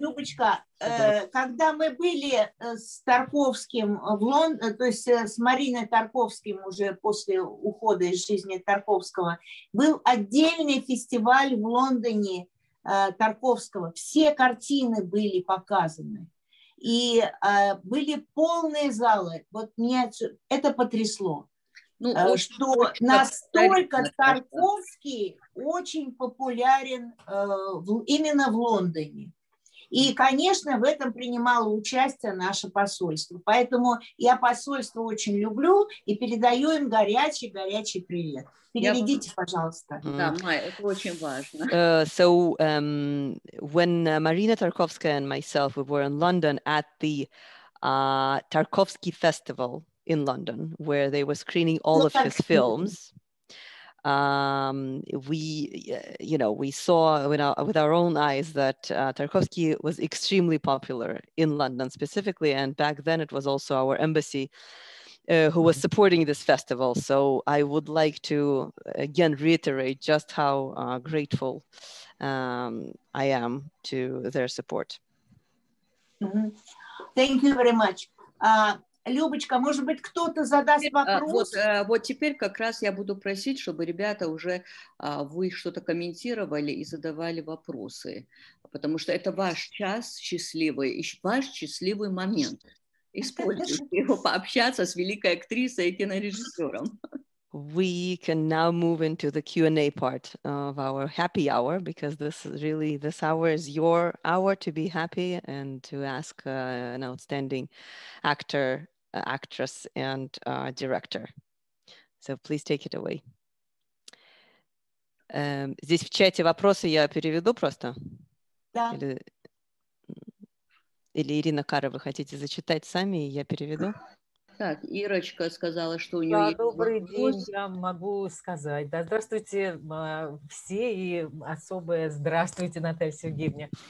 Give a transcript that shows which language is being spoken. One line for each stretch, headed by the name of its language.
Russian: Любочка, когда мы были с Тарковским в Лондоне, то есть с Мариной Тарковским уже после ухода из жизни Тарковского, был отдельный фестиваль в Лондоне Тарковского, все картины были показаны, и были полные залы, вот меня это потрясло, что настолько Тарковский очень популярен именно в Лондоне, и, конечно, в этом принимало участие наше посольство, поэтому я посольство очень люблю и передаю им горячий-горячий привет.
English: So when Marina Tarkovskaya and myself, we were in London at the Tarkovsky Festival in London, where they were screening all of his films. We saw with our own eyes that Tarkovsky was extremely popular in London specifically. And back then it was also our embassy who was supporting this festival. So I would like to again reiterate just how grateful I am to their support. Mm-hmm. Thank you very much.
Russian: Любочка, может быть, кто-то задаст вопрос? Вот теперь как раз я буду просить, чтобы ребята уже вы что-то комментировали и задавали вопросы, потому что это ваш час счастливый, ваш счастливый момент. Используйте его пообщаться с великой актрисой и кинорежиссером.
English: We can now move into the Q&A part of our happy hour, because this is really, this hour is your hour to be happy and to ask an outstanding actor, actress, and director. So please take it away.
Russian: Здесь в чате вопросы я переведу просто? Да. Или Ирина Кара, вы хотите зачитать сами, и я переведу? Так, Ирочка сказала, что у нее есть добрый день, я могу сказать. Да, здравствуйте все и особое здравствуйте, Наталья Сергеевна.